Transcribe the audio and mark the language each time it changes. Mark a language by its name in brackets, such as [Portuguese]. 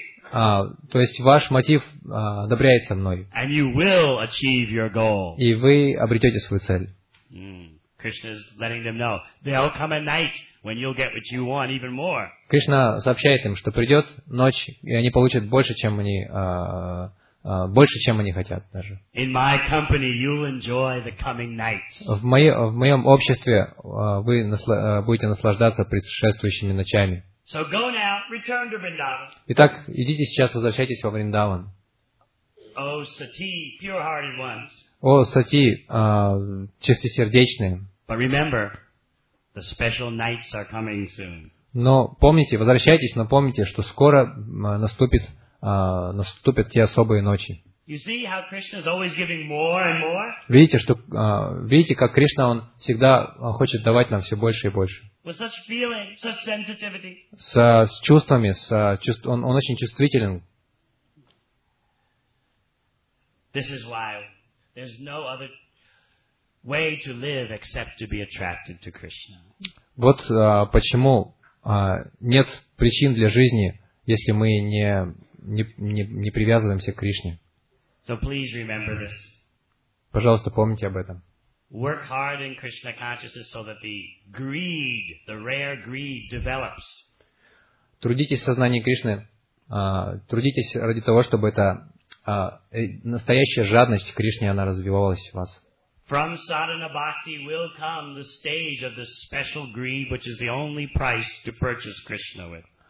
[Russian] То есть ваш мотив одобряется мной. [English] And you will achieve your goal. [Russian] И вы обретете свою цель. [English] Krishna's letting them know. There'll come a night when you'll get what you want even more. [Russian] Кришна сообщает им, что придет ночь, и они получат больше, чем они больше, чем они хотят даже. [English] In my company, you'll enjoy the coming night. [Russian] В моем обществе вы будете наслаждаться предшествующими ночами. [English] So go now, return to Vrindavan. [Russian] Итак, идите сейчас, возвращайтесь во Вриндаван. [English] Oh, Sati, pure-hearted ones. [Russian] О, сати, чистосердечные. [English] But remember, the special nights are coming soon. [Russian] Но помните, возвращайтесь, но помните, что скоро наступят те особые ночи. [English] You see how Krishna is always giving more and more? [Russian] Видите, что видите, как Кришна, он всегда хочет давать нам все больше и больше. [English] With such feeling, such sensitivity. [Russian] С чувствами, он очень чувствителен. [English] This is why there's no other way to live except to be attracted to Krishna. [Russian] Вот почему нет причин для жизни, если мы не привязываемся к Кришне. [English] So please remember this. [Russian] Пожалуйста, помните об этом. [English] Work hard in Krishna consciousness so that the greed, the rare greed, develops. [Russian] Трудитесь в сознании Кришны, трудитесь ради того, чтобы эта настоящая жадность к Кришне она развивалась в вас. [English] From sadhana bhakti will come the stage of the special greed, which is the only price to purchase Krishna with.